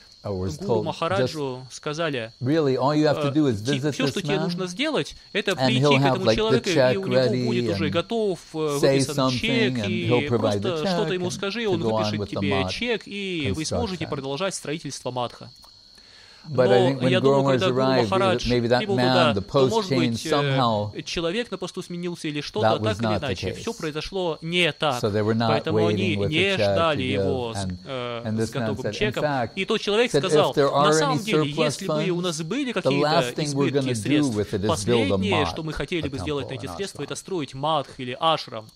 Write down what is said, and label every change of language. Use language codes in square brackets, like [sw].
[ru] Гуру Махараджу сказали, все, что тебе нужно сделать, это прийти к этому человеку, и у него будет уже готов выписан чек, и просто что-то ему скажи, он выпишет тебе чек, и вы сможете продолжать строительство матха. [en] But I think when Gromars arrived, maybe that man, the post changed somehow. [ru] Человек на посту сменился или что-то, так или иначе. Все произошло не так. Поэтому они не ждали его с готовым чеком. И тот человек сказал, на самом деле, если бы у нас были какие-то избытки средств, последнее, что мы хотели бы сделать на эти средства, это строить матх или ашрам.